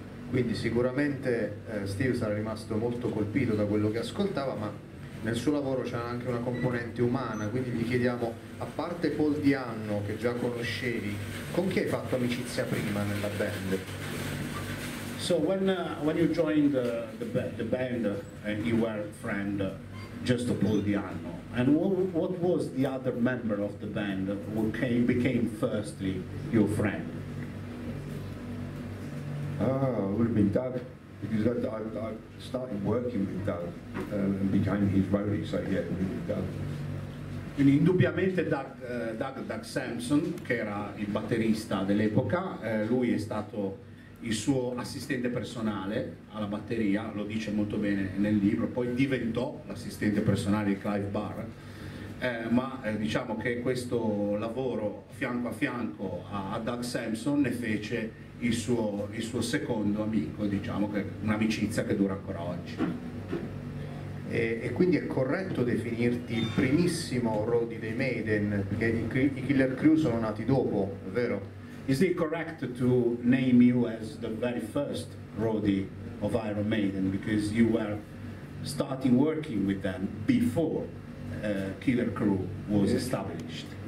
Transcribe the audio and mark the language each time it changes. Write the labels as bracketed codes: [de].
[it] Quindi sicuramente Steve sarà rimasto molto colpito da quello che ascoltava, ma nel suo lavoro c'è anche una componente umana, quindi gli chiediamo, a parte Paul Di'Anno che già conoscevi, con chi hai fatto amicizia prima nella band? [en] So when you joined the band, and you were friend just of Paul Di'Anno, and what was the other member of the band who became firstly your friend? Ah, would have been Doug. Because I started working with Doug and became his roadie, so yeah, with Doug. [it] Quindi indubbiamente Doug Sampson, che era il batterista dell'epoca, lui è stato il suo assistente personale alla batteria, lo dice molto bene nel libro, poi diventò l'assistente personale di Clive Barr, ma diciamo che questo lavoro fianco a fianco a Doug Sampson ne fece il suo secondo amico, diciamo, che un'amicizia che dura ancora oggi. E quindi è corretto definirti il primissimo roadie dei Maiden, perché i Killer Crew sono nati dopo, è vero? [en] Is it correct to name you as the very first roadie of Iron Maiden, because you were starting working with them before Killer Crew was established?